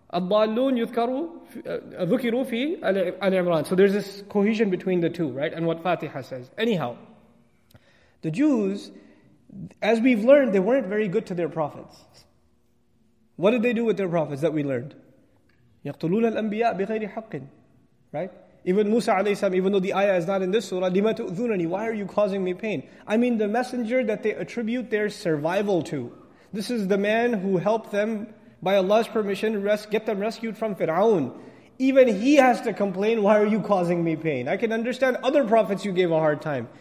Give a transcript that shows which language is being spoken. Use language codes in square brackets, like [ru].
[ar] الضَّالُونَ يُذْكَرُوا ذُكِرُوا فِي الْعِمْرَانِ. [en] So there's this cohesion between the two, right? And what Fatiha says. Anyhow, the Jews, as we've learned, they weren't very good to their prophets. What did they do with their prophets that we learned? [ar] يقتلون الأنبياء بغير حق, right? [en] Even Musa alayhi salam, even though the ayah is not in this surah, [ar] لِمَ تُؤْذُونَنِي, [en] why are you causing me pain? I mean the messenger that they attribute their survival to. This is the man who helped them, by Allah's permission, get them rescued from Fir'aun. Even he has to complain, why are you causing me pain? I can understand other prophets you gave a hard time.